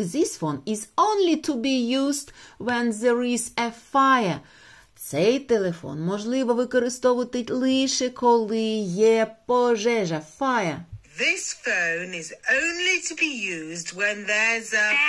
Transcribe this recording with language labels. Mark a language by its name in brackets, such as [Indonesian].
[English] This phone is only to be used when there is a fire. [Ukrainian] Цей телефон можливо використовувати лише коли є пожежа, fire. [English] This phone is only to be used when there's a